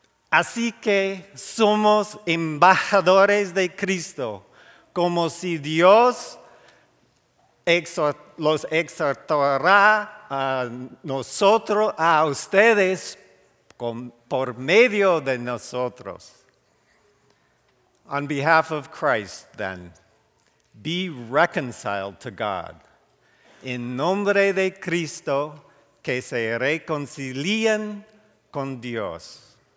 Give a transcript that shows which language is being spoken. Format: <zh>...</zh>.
<es>Así que somos embajadores de Cristo, como si Dios los exhortara a nosotros, a ustedes, por medio de nosotros.</es> <en>On behalf of Christ, then, be reconciled to God.</en> <es>En nombre de Cristo, que se reconcilien con Dios.</es>